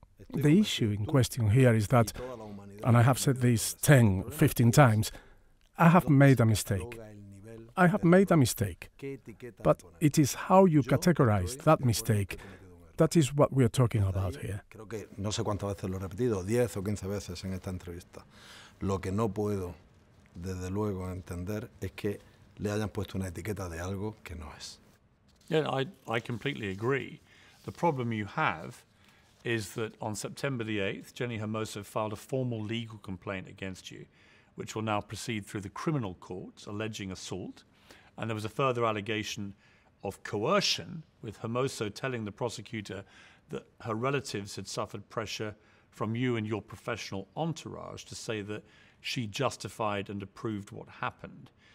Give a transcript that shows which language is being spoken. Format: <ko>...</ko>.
<en>The issue in question here is that, and I have said this 10, 15 times, I have made a mistake. I have made a mistake, but it is how you categorize that mistake that is what we are talking about here.</en> <es>No sé cuántas veces lo he repetido, 10 o 15 veces en esta entrevista. Lo que no puedo, desde luego, entender es que le hayan puesto una etiqueta de algo que no es.</es> <en>Yeah, I completely agree. The problem you have is that on September the 8th, Jenni Hermoso filed a formal legal complaint against you, which will now proceed through the criminal courts, alleging assault. And there was a further allegation of coercion, with Hermoso telling the prosecutor that her relatives had suffered pressure from you and your professional entourage to say that she justified and approved what happened.</en>